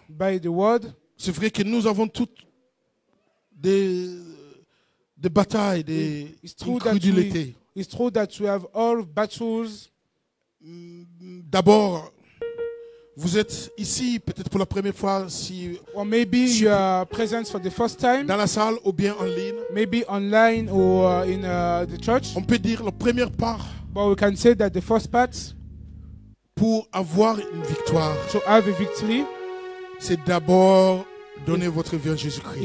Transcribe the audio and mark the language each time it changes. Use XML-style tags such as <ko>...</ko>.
<en>By the word.</en> <fr>C'est vrai que nous avons toutes des batailles, des incrédulités.</fr> <en>It's true that we have all battles.</en> <fr>D'abord, vous êtes ici peut-être pour la première fois, si</fr> <en>or maybe you are present for the first time.</en> <fr>Dans la salle ou bien en ligne.</fr> <en>Maybe online or in the church.</en> <fr>On peut dire la première part.</fr> <en>But we can say that the first part.</en> <fr>Pour avoir une victoire.</fr> <en>To have a victory.</en> <fr>C'est d'abord donner votre vie à Jésus-Christ.</fr>